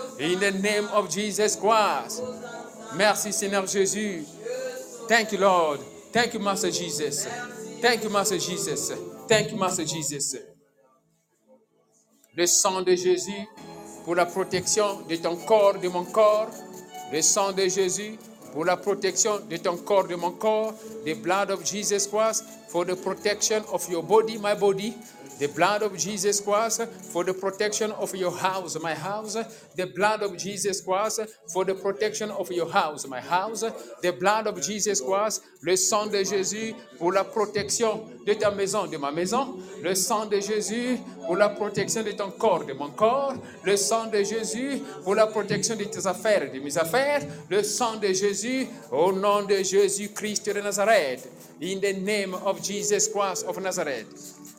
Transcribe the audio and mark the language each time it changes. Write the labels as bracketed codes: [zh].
[en] In the name of Jesus Christ. [fr] Merci Seigneur Jésus. [en] Thank you Lord. Thank you Master Jesus. Thank you Master Jesus. Thank you Master Jesus. [fr] Le sang de Jésus pour la protection de ton corps, de mon corps. Le sang de Jésus pour la protection de ton corps, de mon corps. [en] The blood of Jesus Christ for the protection of your body, my body. The blood of Jesus Christ for the protection of your house, my house. The blood of Jesus Christ for the protection of your house, my house. The blood of Jesus Christ, [fr] le sang de Jésus pour la protection de ta maison, de ma maison. Le sang de Jésus pour la protection de ton corps, de mon corps. Le sang de Jésus pour la protection de tes affaires, de mes affaires. Le sang de Jésus au nom de Jésus Christ de Nazareth. [en] In the name of Jesus Christ of Nazareth.